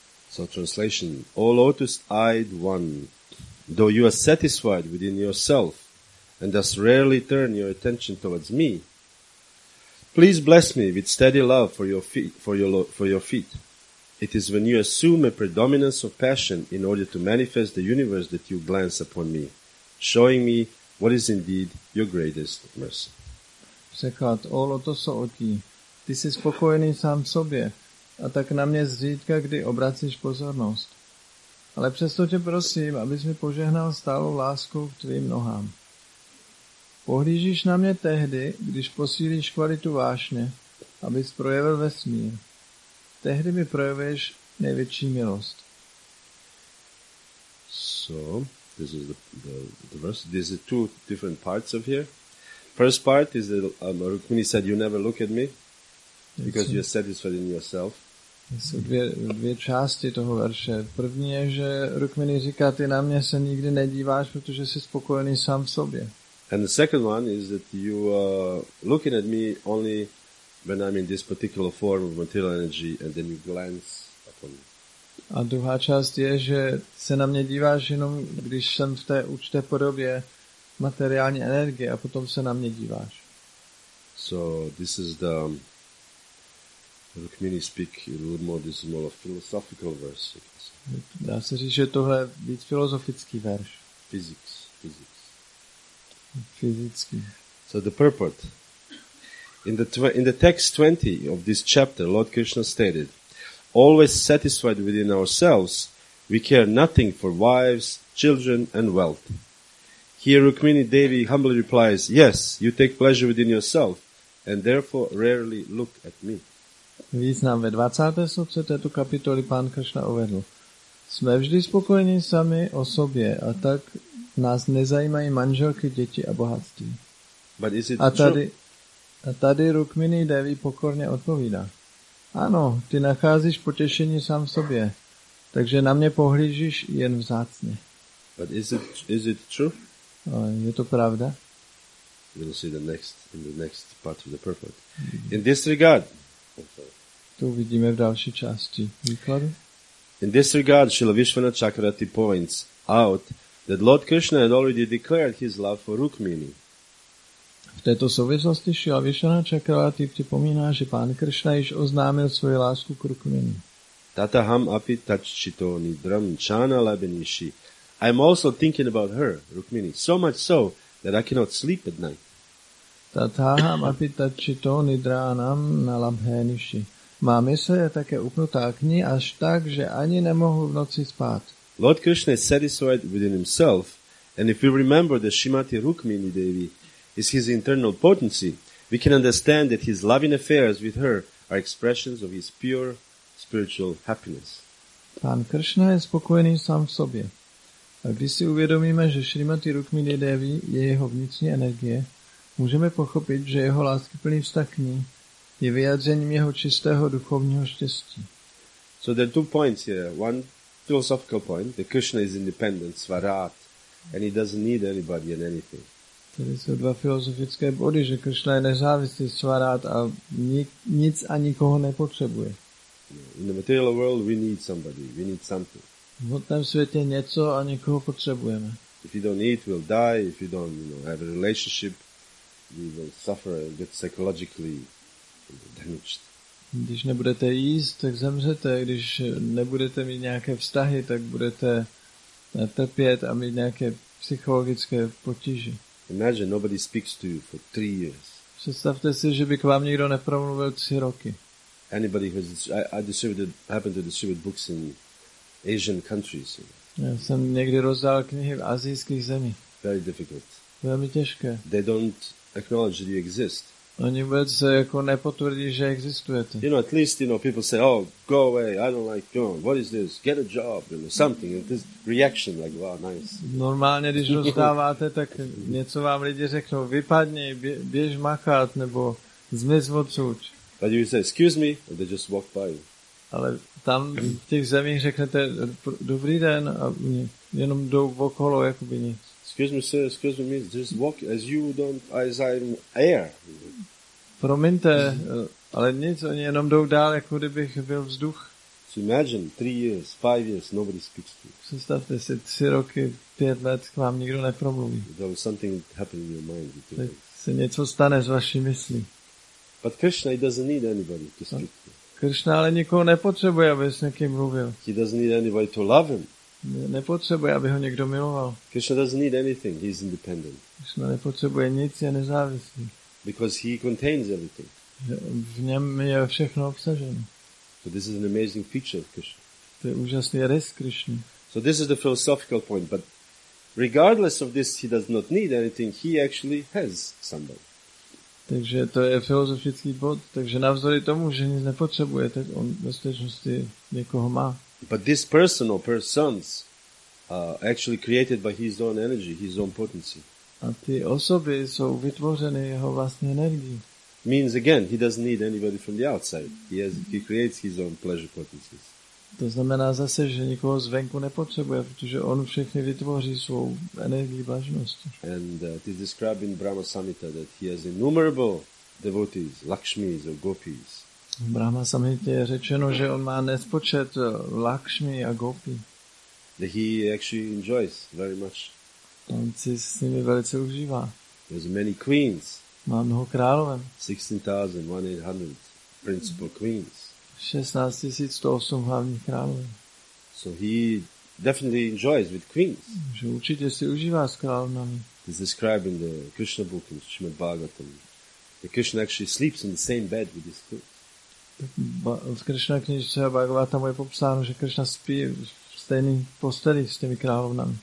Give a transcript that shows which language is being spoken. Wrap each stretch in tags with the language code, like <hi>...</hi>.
<en>So translation, O lotus-eyed one, though you are satisfied within yourself and thus rarely turn your attention towards me, please bless me with steady love for your feet. It is when you assume a predominance of passion in order to manifest the universe that you glance upon me, showing me what is indeed your greatest mercy.</en> <cs>Překlad, o lotoso oči, ty jsi spokojený sám sobě, a tak na mě zřídka, kdy obracíš pozornost. Ale přesto tě prosím, abys mi požehnal stálou láskou k tvým nohám. Pohlížíš na mě tehdy, když posílíš kvalitu vášně, abys projevil vesmír. Tehdy mi projevíš největší milost.</cs> <en>So, this is the verse. These are two different parts of here. First part is that Rukmini said, you never look at me because you're satisfied in yourself.</en> <cs>Jsou dvě části toho verše. První je, že Rukmini říká, ty na mě se nikdy nedíváš, protože jsi spokojený sám v sobě.</cs> <en>And the second one is that you are looking at me only when I'm in this particular form of material energy, and then you glance upon me.</en> <cs>A druhá část je, že se na mě díváš jenom, když jsem v té určité podobě materiální energie, a potom se na mě díváš.</cs> <en>So this is the Rukmini speak a little more, this is more of philosophical verse.</en> <cs>Dá se říct, že tohle je víc filozofický verš.</cs> <en>Physics. So the purport. In the text 20 of this chapter, Lord Krishna stated, always satisfied within ourselves, we care nothing for wives, children and wealth. Here Rukmini Devi humbly replies, yes, you take pleasure within yourself and therefore rarely look at me.</en> <cs>Význam ve 20. sloce této kapitoly pán Krishna uvedl. Jsme vždy spokojeni sami o sobě a tak nás nezajímají manželky, děti a bohatství.</cs> <en>But is it</en> <cs>a tady Rukmini Devi pokorně odpovídá. Ano, ty nacházíš potěšení sám v sobě, takže na mě pohlížíš jen vzácně.</cs> <en>But is it true?</en> <cs>Je to pravda?</cs> <en>We'll see in the next part of the purport. In this regard,</en> <cs>to uvidíme v další části výkladu.</cs> <en>In this regard, Srila Vishvanatha Chakravarti points out that Lord Krishna had already declared his love for Rukmini.</en> <cs>V této souvislosti Srila Vishvanatha Chakravarti připomíná, že pán Krishna již oznámil svoji lásku k Rukmini.</cs> <sa>Tataham api tachchito nidram chana labenishi.</sa> <en>I am also thinking about her, Rukmini, so much so that I cannot sleep at night.</en> <sa>Tataham api tachchito nidranam na labenishi.</sa> <cs>Má mysl je také upnutá k ní až tak, že ani nemohu v noci spát.</cs> <en>Lord Krishna is satisfied within himself, and if we remember the Srimati Rukmini Devi is his internal potency, we can understand that his loving affairs with her are expressions of his pure spiritual happiness.</en> <cs>Pán Krishna je spokojený sám v sobě. A když si uvědomíme, že Srimati Rukmini Devi je jeho vnitřní energie, můžeme pochopit, že jeho láskyplný vztah k ní je vyjádřením jeho čistého duchovního štěstí.</cs> <en>So there are two points here. One philosophical point, that Krishna is independent, svarat, and he doesn't need anybody and anything.</en> <cs>Tady jsou dva filozofické body, že Krishna je nezávislý, svarat, a nic a nikoho nepotřebuje.</cs> <en>In the material world we need somebody, we need something.</en> <cs>V hmotném světě něco a někoho potřebujeme.</cs> <en>If we don't eat, we'll die. If we don't, you know, have a relationship, we will suffer and get psychologically damaged.</en> <cs>Když nebudete jíst, tak zemřete. Když nebudete mít nějaké vztahy, tak budete trpět a mít nějaké psychologické potíže.</cs> <en>Imagine nobody speaks to you for 3 years.</en> <cs>Představte si, že by k vám nikdo nepromluvil 3 roky.</cs> <en>Anybody who happened to distribute books in Asian countries.</en> <cs>Já jsem někdy rozdal knihy v asijských zemích.</cs> <en>Very difficult.</en> <cs>Velmi těžké.</cs> <en>They don't acknowledge that you exist.</en> <cs>Oni vůbec jako nepotvrdí, že existujete.</cs> <en>You know, at least, you know, people say, oh, go away, I don't like you. What is this? Get a job, you know, something. And this reaction, like, wow, nice.</en> <cs>Normálně, když rozdáváte, tak něco vám lidi řeknou, vypadni, běž makat, nebo zmiz odsud.</cs> <en>But you say, excuse me, and they just walk by.</en> <cs>Ale tam v těch zemích řeknete, dobrý den, a jenom jdou okolo, jakoby nic.</cs> <en>Excuse me, sir, excuse me, just walk as you don't, as I'm air.</en> <cs>Promiňte, ale nic, oni jenom jdou dál, jako kdybych byl vzduch.</cs> <en>So imagine 3 years, 5 years, nobody speaks to you.</en> <cs>Představte si 3 roky, 5 let, k vám nikdo nepromluví.</cs> <en>There was something happened in your mind. You think.</en> <cs>Se něco stane z vaší mysli.</cs> <en>But Krishna, he doesn't need anybody to speak to.</en> <cs>Krishna ale nikoho nepotřebuje, aby s někým mluvil.</cs> <en>He doesn't need anybody to love him.</en> <cs>Nepotřebuje, aby ho někdo miloval.</cs> <en>Krishna doesn't need anything. He's independent.</en> <cs>Krishna nepotřebuje nic, je nezávislý.</cs> <en>Because he contains everything.</en> <cs>V něm je všechno obsaženo.</cs> <en>So this is an amazing feature of Krishna.</en> <cs>To je úžasný rys Krishna.</cs> <en>So this is the philosophical point, but regardless of this, he does not need anything. He actually has somebody.</en> <cs>Takže to je filozofický bod. Takže navzdory tomu, že nic nepotřebuje, tak on ve skutečnosti někoho má.</cs> <en>But this person or persons are actually created by his own energy, his own potency.</en> <cs>A ty osoby jsou vytvořeny jeho vlastní energií.</cs> <en>Means again, he doesn't need anybody from the outside. He creates his own pleasure potencies.</en> <cs>To znamená zase, že nikoho zvenku nepotřebuje, protože on všechny vytvoří svou energii blaženosti.</cs> <en>And it is described in Brahma Samhita that he has innumerable devotees, Lakshmis or Gopis.</en> <cs>V Brahma Samhita je řečeno, že on má nespočet Lakshmi a Gopi.</cs> <en>That he actually enjoys very much.</en> <cs>On si s nimi velice užívá.</cs> <en>There's many queens.</en> <cs>Má mnoho královen.</cs> <en>16,800 principal queens.</en> <cs>16,108 hlavních královen.</cs> <en>So he definitely enjoys with queens.</en> <cs>Že určitě si užívá s královnami.</cs> <en>It's described in the Krishna book in Srimad Bhagavatam. The Krishna actually sleeps in the same bed with his queen.</en> <cs>V Krishna knižce a Bhagavatam je popsáno, že Krishna spí v stejné posteli s těmi královnami.</cs>